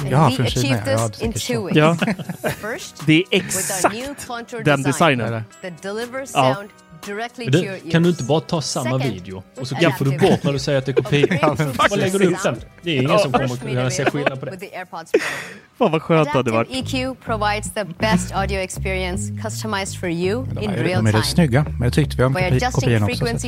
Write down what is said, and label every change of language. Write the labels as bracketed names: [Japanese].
[Swedish] Ja, för Kina. Ja, det, ja. Det är exakt den designen. Ja. Du, kan du inte bara ta samma video och så gaffar du bort när du säger att det är kopia? Vad lägger du upp sen? Det är ingen som kommer att kunna se skillnad på det. Fan vad skönt det var. [English] EQ provides the best audio experience customized for you in real time. [Swedish] De är rätt snygga, men det tyckte vi om kopien också.